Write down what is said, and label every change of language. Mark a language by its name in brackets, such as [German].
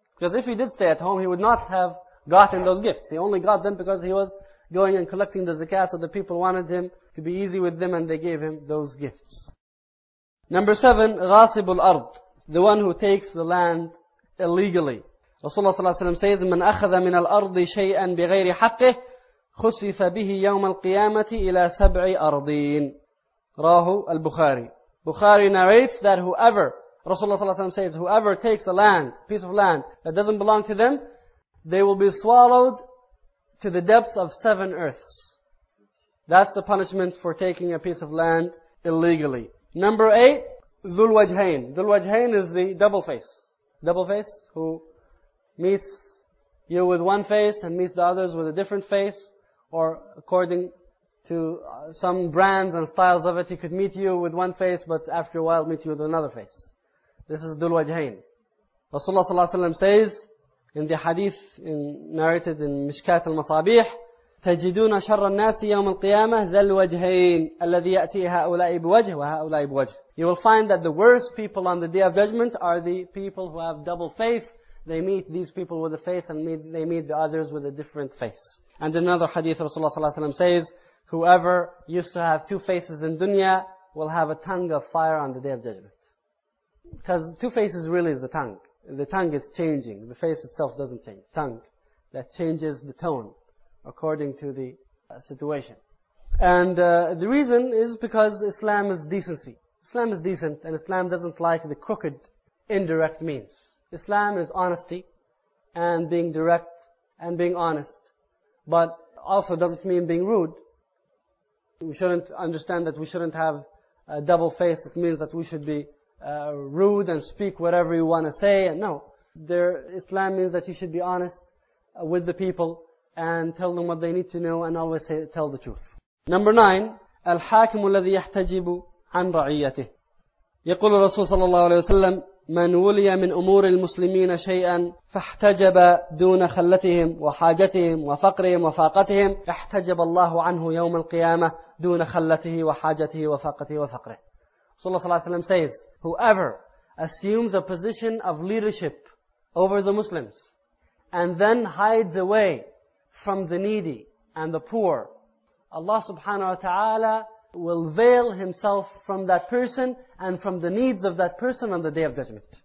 [English] Because if he did stay at home, he would not have gotten those gifts. He only got them because he was going and collecting the zakat, so the people wanted him to be easy with them, and they gave him those gifts. Number 7, [Arabic] غاصب الأرض, [English] the one who takes the land illegally. Rasulullah sallallahu alaihi wasallam says, [Arabic] من أخذ من الأرض شيئا بغير حقه خسف به يوم القيامة إلى سبع أرضين. راه البخاري. [English] Bukhari narrates that whoever, Rasulullah ﷺ says, whoever takes a land, piece of land that doesn't belong to them, they will be swallowed to the depths of seven earths. That's the punishment for taking a piece of land illegally. Number eight, Dhul Wajhain. Dhul Wajhain is the double face. Double face, who meets you with one face and meets the others with a different face, or according to some brands and styles of it, he could meet you with one face, but after a while meet you with another face. This is Dhul Wajhain. Rasulullah ﷺ says in the hadith narrated in Mishkat al-Masabih, [Arabic] تَجِدُونَ شَرَّ النَّاسِ يَوْمَ الْقِيَامَةِ ذَا الْوَجْهَيْنِ الَّذِي يَأْتِي هَؤُلَاءِ بِوَجْهِ وَهَؤُلَاءِ بِوَجْهِ. [English] You will find that the worst people on the Day of Judgment are the people who have double faith. They meet these people with a face and they meet the others with a different face. And another hadith, Rasulullah ﷺ says, whoever used to have two faces in dunya will have a tongue of fire on the Day of Judgment. Because two faces really is the tongue. The tongue is changing. The face itself doesn't change. Tongue that changes the tone according to the situation. And the reason is because Islam is decency. Islam is decent and Islam doesn't like the crooked indirect means. Islam is honesty and being direct and being honest. But also doesn't mean being rude. We shouldn't understand that we shouldn't have a double face. It means that we should be rude and speak whatever you want to say. No. Islam means that you should be honest with the people and tell them what they need to know and always say, tell the truth. Number nine, [Arabic] الحاكم الذي يحتجب عن رعيته. يقول الرسول صلى الله عليه وسلم من ولي من أمور المسلمين شيئا فاحتجب دون خلتهم وحاجتهم وفقرهم وفاقتهم احتجب الله عنه يوم القيامة دون خلته وحاجته وفاقته وفقره. صلى الله عليه وسلم [English] says, whoever assumes a position of leadership over the Muslims and then hides away from the needy and the poor, Allah subhanahu wa ta'ala will veil himself from that person and from the needs of that person on the Day of Judgment.